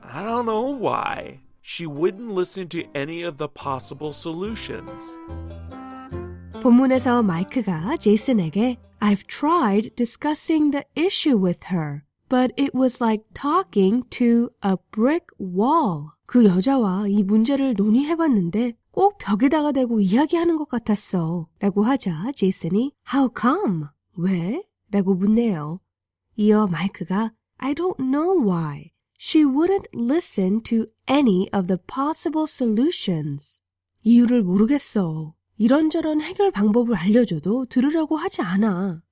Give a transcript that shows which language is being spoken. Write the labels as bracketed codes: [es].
[en] I don't know why. She wouldn't listen to any of the possible solutions. [ko] 본문에서 마이크가 제이슨에게 [en] I've tried discussing the issue with her, but it was like talking to a brick wall. [ko] 그 여자와 이 문제를 논의해봤는데 꼭 벽에다가 대고 이야기하는 것 같았어. 라고 하자 제이슨이 [en] How come? [ko] 왜? 라고 묻네요. 이어 마이크가 [en] I don't know why. She wouldn't listen to any of the possible solutions. [ko] 이유를 모르겠어. 이런저런 해결 방법을 알려줘도 들으라고 하지 않아.